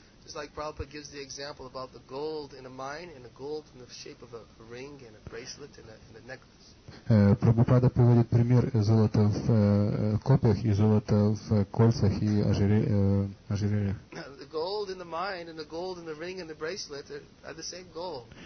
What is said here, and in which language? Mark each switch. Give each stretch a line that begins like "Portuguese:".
English: Just like Prabhupada gives the example about the gold in a mine and the gold in the shape of a ring and a bracelet and a necklace.
Russian: Прабхупада приводит пример золота в копьях и золота в кольцах и ожерельях.
English: The gold in the mine and the gold in the ring and the bracelet are the same gold.